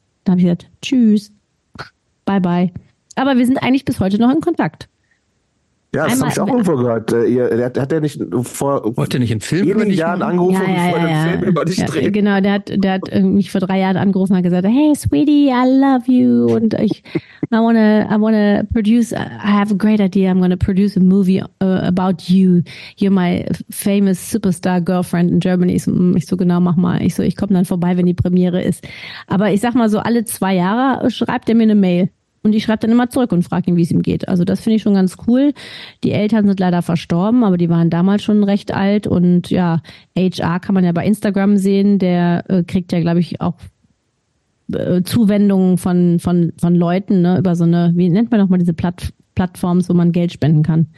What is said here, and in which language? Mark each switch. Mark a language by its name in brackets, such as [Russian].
[German] Dann habe ich gesagt, tschüss, bye bye. Aber wir sind eigentlich bis heute noch in Kontakt. Ja, das habe ich auch irgendwo gehört. Wollte nicht einen Film über dich machen? Angerufen, und ja, einen Film über dich drehen. Genau, der hat mich vor 3 Jahren angerufen und hat gesagt, [English] hey, sweetie, I love you. Und I wanna produce, I have a great idea. I'm gonna produce a movie about you. You're my famous superstar girlfriend in Germany. [German] Ich so, genau, mach mal. Ich komme dann vorbei, wenn die Premiere ist. Aber ich sag mal so, alle 2 Jahre schreibt er mir eine Mail. Und ich schreibe dann immer zurück und frage ihn, wie es ihm geht. Also das finde ich schon ganz cool. Die Eltern sind leider verstorben, aber die waren damals schon recht alt. Und ja, HR kann man ja bei Instagram sehen. Der kriegt ja, glaube ich, auch Zuwendungen von Leuten, ne, über so eine, wie nennt man nochmal diese Plattform, wo man Geld spenden kann?